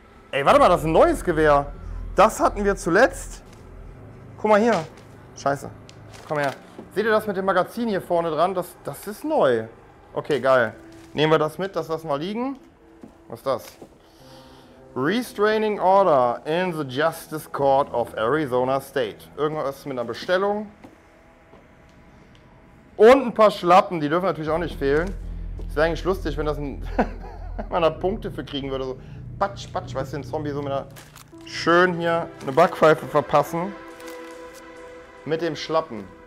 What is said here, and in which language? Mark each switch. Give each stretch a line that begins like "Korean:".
German: Ey, warte mal, das ist ein neues Gewehr. Das hatten wir zuletzt. Guck mal hier. Scheiße. Komm her. Seht ihr das mit dem Magazin hier vorne dran? Das ist neu. Okay, geil. Nehmen wir das mit, das lassen wir liegen. Was ist das?
English: Restraining Order in the Justice Court of Arizona State.
German: Irgendwas mit einer Bestellung. Und ein paar Schlappen, die dürfen natürlich auch nicht fehlen. Das wäre eigentlich lustig, wenn das ein wenn man da Punkte für kriegen würde. So. Patsch, patsch, weißt du, den Zombie so mit einer schön hier eine Backpfeife verpassen. Mit dem Schlappen.